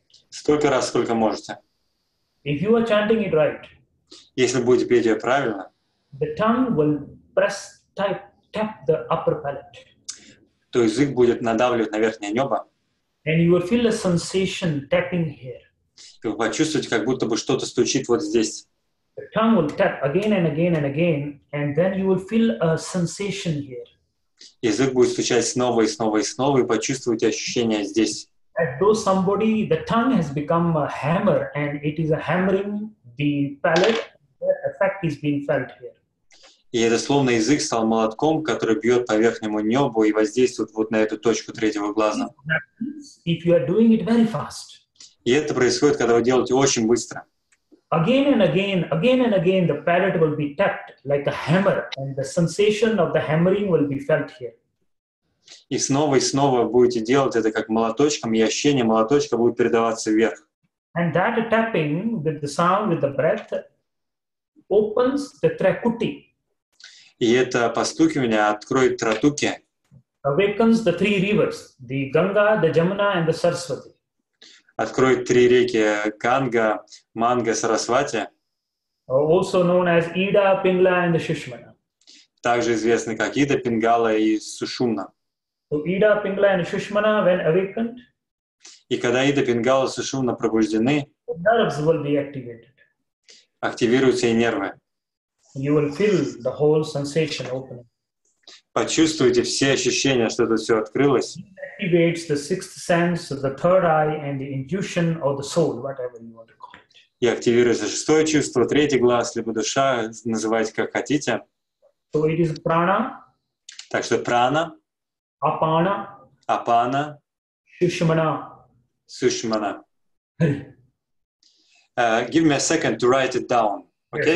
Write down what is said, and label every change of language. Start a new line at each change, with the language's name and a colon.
Russian: Столько раз, сколько можете.
English: If you are chanting it right,
Russian: если будете петь ее правильно,
English: the tongue will press tap the upper palate.
Russian: То язык будет надавливать на верхнее небо.
English: And you will feel a sensation tapping here.
Russian: И вы почувствуете, как будто бы что-то стучит вот здесь.
English: The tongue will tap again and again and again, and then you will feel a sensation here.
Russian: Язык будет стучать снова и снова и снова, и почувствуете ощущение здесь.
English: As though somebody, the tongue has become a hammer, and it is a hammering the palate. The effect is being felt here.
Russian: И это словно язык стал молотком, который бьет по верхнему небу и воздействует вот на эту точку третьего глаза.
English: If you are doing it very fast.
Russian: И это происходит, когда вы делаете очень быстро.
English: Again and again, again and again, the palate will be tapped like a hammer, and the sensation of the hammering will be felt here.
Russian: И снова будете делать это как молоточком, и ощущение молоточка будет передаваться вверх.
English: And that tapping with the sound, with the breath, opens the trakuti.
Russian: И это постукивание откроет тратуки.
English: Awakens the three rivers, the Ganga, the Jamuna, and the Saraswati.
Russian: Откроет три реки Ганга, Манга, Сарасвати.
English: Also known as Ida, Пингала, and the Сушумна.
Russian: Также известны как Ида, Пингала и Сушумна.
English: So Ida, Пингала, and Сушумна when awakened.
Russian: И когда Ида, Пингала, Сушумна пробуждены,
English: nerves will be activated.
Russian: Активируются и нервы.
English: You will feel the whole sensation opening.
Russian: Почувствуйте все ощущения, что тут все открылось.
English: Activates the sixth sense, the third eye, and the intuition of the soul, whatever you want to call it.
Russian: И активируется шестое чувство, третий глаз, либо душа, называйте как хотите.
English: So it is prana.
Russian: Так что прана. Апана. Апана. Сушумна.
English: Сушумна. Give me a second to write it down, okay?